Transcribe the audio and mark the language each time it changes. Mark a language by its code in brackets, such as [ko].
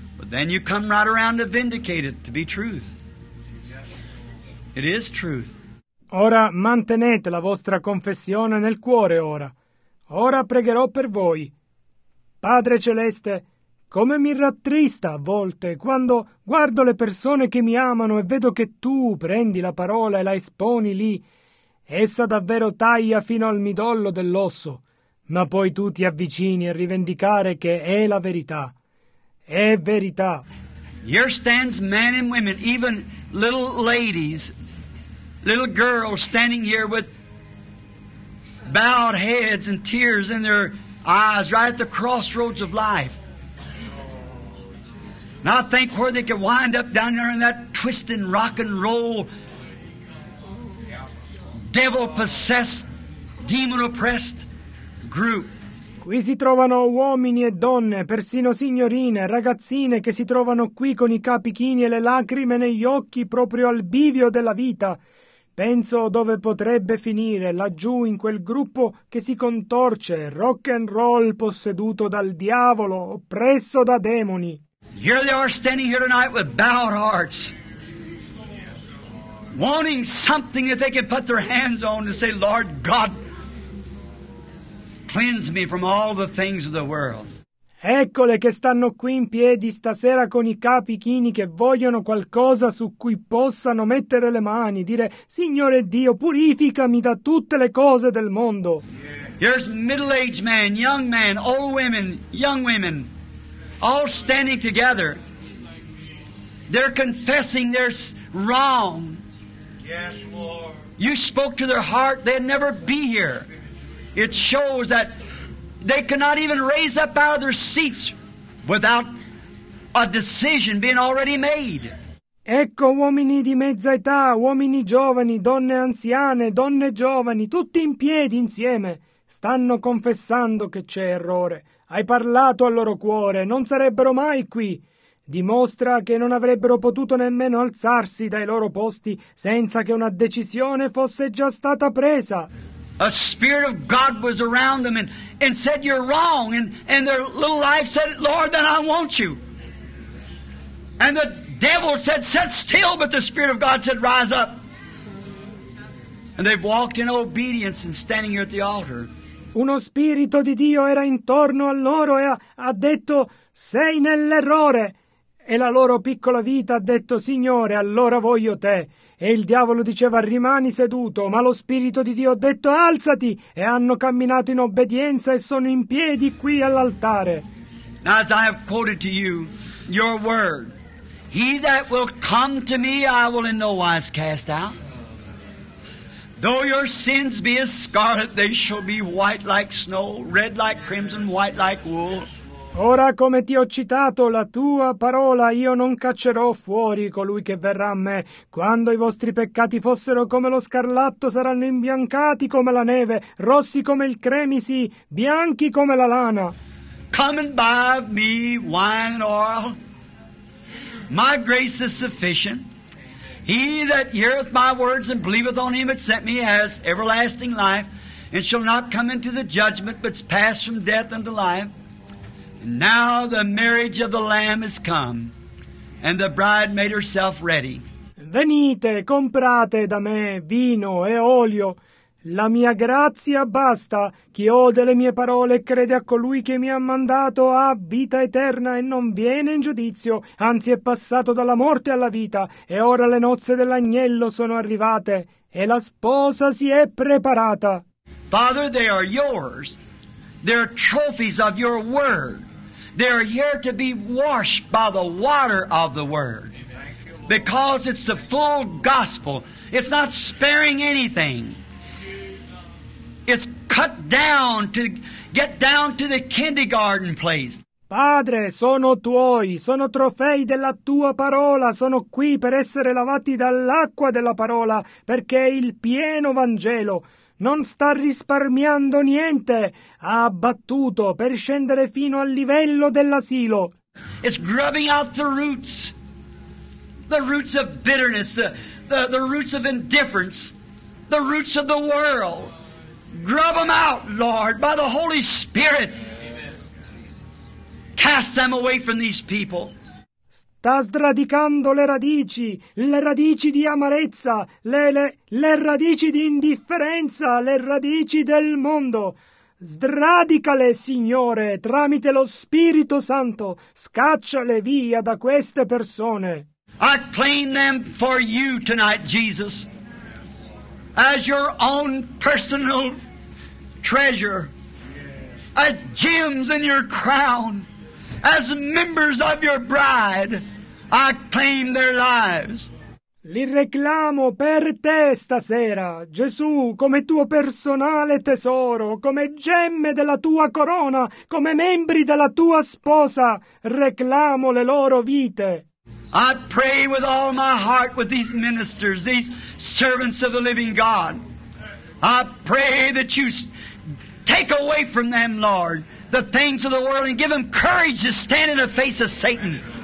[en] Then you come right around to vindicate it to be truth. It is truth. [it] Ora mantenete la vostra confessione nel cuore ora. Ora pregherò per voi. Padre Celeste, Come mi rattrista a volte quando guardo le persone che mi amano e vedo che tu prendi la parola e la esponi lì. Essa davvero taglia fino al midollo dell'osso, ma poi tu ti avvicini a rivendicare che è la verità. È verità. [en] Here stands men and women, even little ladies, little girls standing here with bowed heads and tears in their eyes right at the crossroads of life. Now think where they could wind up down there in that twisting rock and roll, devil-possessed, demon-oppressed group. [it] Qui si trovano uomini e donne, persino signorine, ragazzine che si trovano qui con i capi chini e le lacrime negli occhi proprio al bivio della vita. Penso dove potrebbe finire, laggiù in quel gruppo che si contorce, rock and roll posseduto dal diavolo, oppresso da demoni. [en] Here they are standing here tonight with bowed hearts, wanting something that they can put their hands on to say, Lord God, cleanse me from all the things of the world. [it] Eccole che stanno qui in piedi stasera con i capi chini che vogliono qualcosa su cui possano mettere le mani, dire, Signore Dio, purificami da tutte le cose del mondo. [en] Here's middle-aged men, young men, old women, young women, all standing together. They're confessing their wrong. Yes, Lord. You spoke to their heart, they'd never be here. It shows that they cannot even raise up out of their seats without a decision being already made. [it] Ecco uomini di mezza età, uomini giovani, donne anziane, donne giovani, tutti in piedi insieme, stanno confessando che c'è errore. Hai parlato al loro cuore, non sarebbero mai qui. Dimostra che non avrebbero potuto nemmeno alzarsi dai loro posti senza che una decisione fosse già stata presa. [en] A spirit of God was around them and said, you're wrong. And their little life said, Lord, then I want you. And the devil said, sit still. But the spirit of God said, rise up. And they've walked in obedience and standing here at the altar. [it] Uno spirito di Dio era intorno a loro e ha detto, sei nell'errore. E la loro piccola vita ha detto, Signore, allora voglio te. E il diavolo diceva, rimani seduto, ma lo Spirito di Dio ha detto, alzati! E hanno camminato in obbedienza e sono in piedi qui all'altare. [en] Now, as I have quoted to you, your word, he that will come to me, I will in no wise cast out. Though your sins be as scarlet, they shall be white like snow, red like crimson, white like wool. [it] Ora, come ti ho citato la tua parola, io non caccerò fuori colui che verrà a me. Quando i vostri peccati fossero come lo scarlatto, saranno imbiancati come la neve, rossi come il cremisi, bianchi come la lana. [en] Come and buy of me wine and oil. My grace is sufficient. He that heareth my words and believeth on him that sent me has everlasting life, and shall not come into the judgment, but pass from death unto life. Now the marriage of the Lamb is come, and the bride made herself ready. [it] Venite, comprate da me vino e olio. La mia grazia basta. Chi ode le mie parole e crede a colui che mi ha mandato ha vita eterna e non viene in giudizio, anzi è passato dalla morte alla vita, e ora le nozze dell'agnello sono arrivate, e la sposa si è preparata. [en] Father, they are yours. They are trophies of your word. They are here to be washed by the water of the word. Because it's the full gospel. It's not sparing anything. It's cut down to get down to the kindergarten place. [it] Padre, sono tuoi, sono trofei della tua parola, sono qui per essere lavati dall'acqua della parola, perché è il pieno Vangelo. Non sta risparmiando niente. Ha abbattuto per scendere fino al livello dell'asilo. [en] It's grubbing out the roots of bitterness, the roots of indifference, the roots of the world. Grub them out, Lord, by the Holy Spirit. Cast them away from these people. [it] Sta sradicando le radici di amarezza, le radici di indifferenza, le radici del mondo. Sradicale, Signore, tramite lo Spirito Santo, scacciale via da queste persone. [en] I claim them for you tonight, Jesus, as your own personal treasure, as gems in your crown, as members of your bride, I claim their lives. [it] Li reclamo per te stasera, Gesù, come tuo personale tesoro, come gemme della tua corona, come membri della tua sposa, reclamo le loro vite. [en] I pray with all my heart with these ministers, these servants of the living God. I pray that you take away from them, Lord, the things of the world and give them courage to stand in the face of Satan.